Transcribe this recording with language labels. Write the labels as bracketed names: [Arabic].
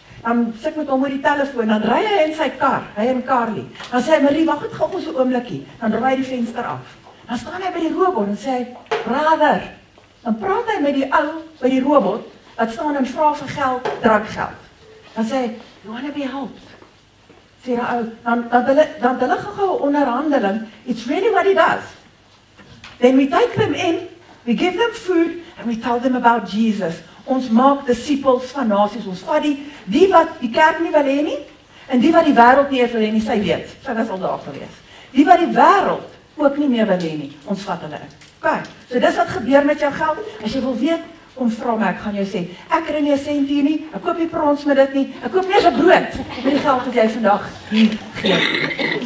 [Afrikaans] Dan sit met hom oor die telefoon, dan ry hy in sy kar, hy en Carly. Dan sê hy, Marie, wag het gou ons 'n oomblikkie. Dan draai hy die venster af. Dan staan hy by die robot en sê hy, brother. Dan praat hy met die ou by die robot, wat staan en vra vir geld, drank geld. Dan sê hy, [English] you wanna be helped? [Afrikaans] Sê die ou, dan hulle gou 'n onderhandeling, [English] it's really what he does. Then we take them in, we give them food, and we tell them about Jesus. [Afrikaans] Ons maak disciples van nasies, ons vat die wat die kerk nie wil hê nie, en die wat die wêreld nie wil hê nie, sy weet, sy was al daar gewees. Die wat die wêreld ook nie meer wil hê nie, ons vat hulle in. Okay, so dis wat gebeur met jou geld, as jy wil weet, kom vra my, ek gaan jou sê, ek kry nie 'n sent hier nie, ek koop nie prons met dit nie, ek koop nie 'n brood met die geld wat jy vandag hier gee.